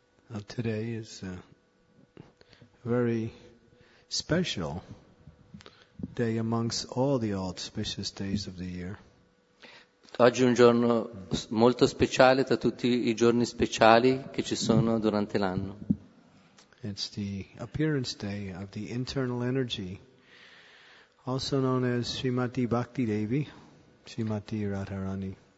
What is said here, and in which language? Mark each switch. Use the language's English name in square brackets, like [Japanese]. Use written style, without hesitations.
[English] Well, today is a very special day amongst all the auspicious days of the year. [Italian] Oggi è un giorno molto speciale tra tutti i giorni speciali che ci sono durante l'anno. [English] It's the appearance day of the internal energy, also known as Srimati Bhakti Devi, Srimati Radharani.